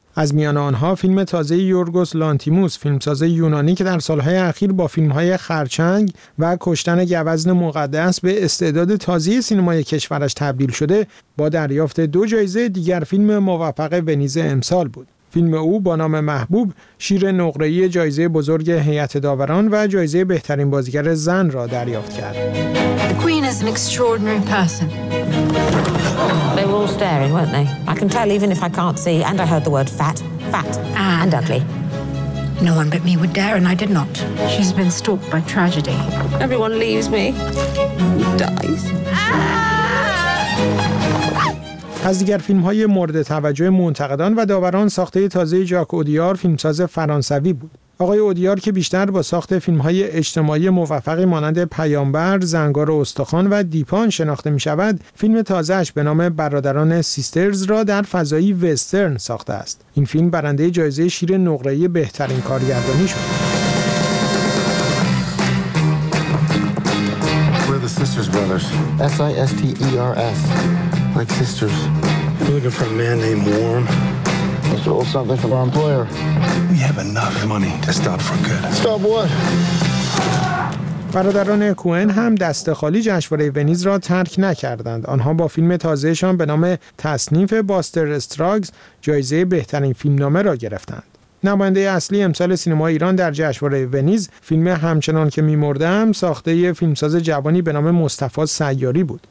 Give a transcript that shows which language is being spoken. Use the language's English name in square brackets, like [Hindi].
[Persian] از میان آنها فیلم تازه یورگوس لانتیموس، فیلمساز یونانی که در سالهای اخیر با فیلم‌های خرچنگ و کشتن گوزن مقدس به استعداد تازه سینمای کشورش تبدیل شده، با دریافت دو جایزه دیگر فیلم موفق ونیز امسال بود. فیلم او با نام محبوب شیر نقره‌ای جایزه بزرگ هیئت داوران و جایزه بهترین بازیگر زن را دریافت کرد. [English] The Queen is an extraordinary person. They were all staring, weren't they? I can tell even if I can't see, and I heard the word fat, and ugly. No one but me would dare, and I did not. She's been stalked by tragedy. Everyone leaves me. Dies. [Persian] از دیگر فیلم‌های مورد توجه منتقدان و داوران، ساخته تازه ژاک اودیار، فیلمساز فرانسوی بود. آقای اودیار که بیشتر با ساخت فیلم‌های اجتماعی موفقی مانند پیامبر، زنگار استخوان و دیپان شناخته می‌شود، فیلم تازه‌اش به نام برادران سیسترز را در فضای وسترن ساخته است. این فیلم برنده جایزه شیر نقره‌ای بهترین کارگردانی شد. [English] S-I-S-T-E-R-S. Like sisters. I'm looking for a man named Warren. I stole something from our employer. We have enough money to stop for good. Stop what? [Persian] برادران کوئن هم دست خالی جشنواره ونیز را ترک نکردند. آنها با فیلم تازهشان به نام تصنیف باستر استراگز جایزه بهترین فیلمنامه را گرفتند. نماینده اصلی امسال سینما ایران در جشنواره ونیز فیلم همچنان که می‌مردم، ساخته فیلمساز جوانی به نام مصطفی سیاری بود.